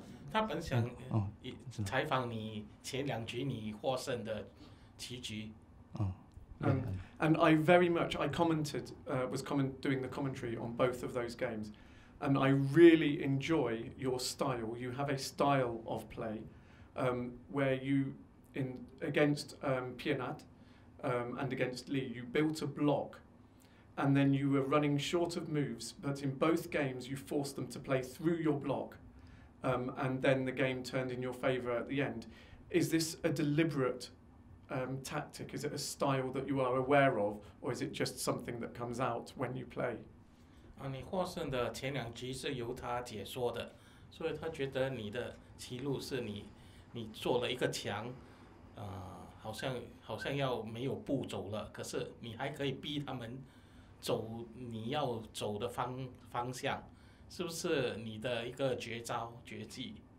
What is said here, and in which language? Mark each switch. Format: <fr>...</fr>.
<zh>他本想采访你前两局你获胜的棋局</zh> <en>And I very much, I was doing the commentary on both of those games and I really enjoy your style, you have a style of play where you, against Pienat and against Lee, you built a block and then you were running short of moves but in both games you forced them to play through your block and then the game turned in your favour at the end. Is this a deliberate tactic? Is it a style that you are aware of or is it just something that comes out when you play?</en> <zh>你获胜的前两局是由他解说的所以他觉得你的棋路是你做了一个墙好像要没有步走了可是你还可以逼他们走你要走的方向 是不是你的一个绝招绝技?</zh>